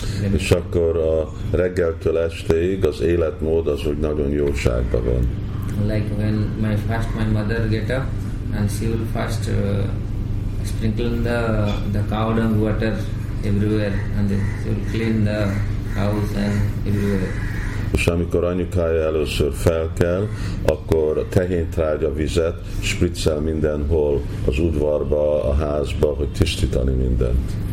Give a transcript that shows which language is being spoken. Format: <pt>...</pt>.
<hu>És akkor a reggeltől estéig az életmód az, hogy nagyon jóságban van.</hu> <en>Like when my mother get up, and she will first sprinkle the cow dung water everywhere, and then she will clean the house and everywhere.</en> <hu>És amikor anyukája először felkel, akkor a tehéntrágya vizet spriccel mindenhol, az udvarba, a házba, hogy tisztítani mindent.</hu>